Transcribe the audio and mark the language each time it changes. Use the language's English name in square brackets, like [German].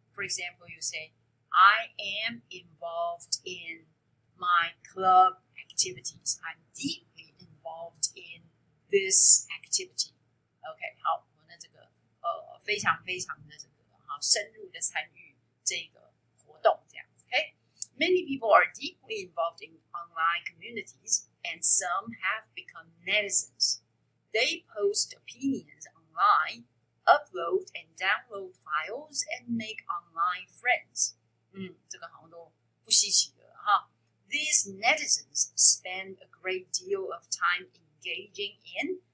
[English] For example, you say, I am involved in my club activities. I'm deeply involved in this activity. [Chinese] OK, 好，我那这个非常非常的深入的参与这个活动，这样。 [English] Okay? Many people are deeply involved in online communities, and some have become netizens. They post opinions online, upload and download files, and make online friends. [Chinese] 这个好像都不稀奇了哈。 [English] These netizens spend a great deal of time engaging in.